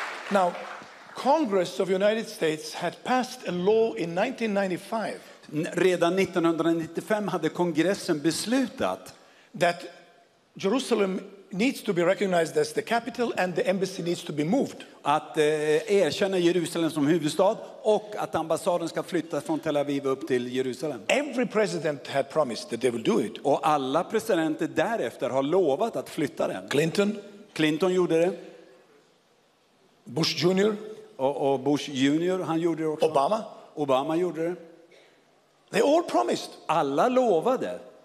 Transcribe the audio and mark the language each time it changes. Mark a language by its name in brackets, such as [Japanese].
[English] Now, Congress of the United States had passed a law in 1995. [Swedish] Redan 1995 hade kongressen beslutat [English] that Jerusalem needs to be recognized as the capital and the embassy needs to be moved. [Swedish] Att erkänna Jerusalem som huvudstad och att ambassaden ska flyttas från Tel Aviv upp till Jerusalem. [English] Every president had promised that they will do it. [Swedish] Och alla presidenter därefter har lovat att flytta den. [English] Clinton [Swedish] gjorde det. [English] Bush Jr. [Swedish] Och Bush Jr. han gjorde det också. [English] Obama [Swedish] gjorde det. [English] They all promised. [Swedish] Alla lovade.